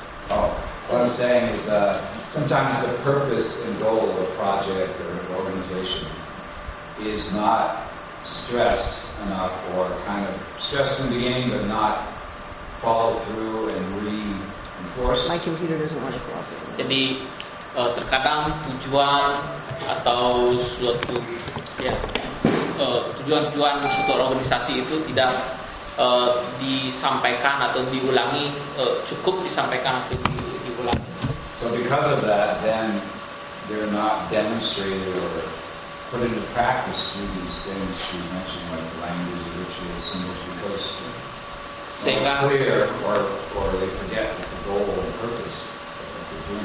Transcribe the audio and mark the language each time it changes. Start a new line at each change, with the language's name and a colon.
English: Oh, what I'm saying is sometimes the purpose and goal of a project or an organization is not stressed enough, or kind of stressed in the beginning but not followed through and reinforced. My computer doesn't want to cooperate.
Indonesian: Jadi terkadang tujuan atau suatu ya tujuan-tujuan suatu organisasi itu tidak disampaikan atau diulangi, cukup disampaikan atau diulangi.
English: So because of that, then they're not demonstrated or put into practice through these things you mentioned, like language, rituals, symbols, because
Indonesian: sehingga,
English: it's clear or they forget the goal and purpose of what they're doing.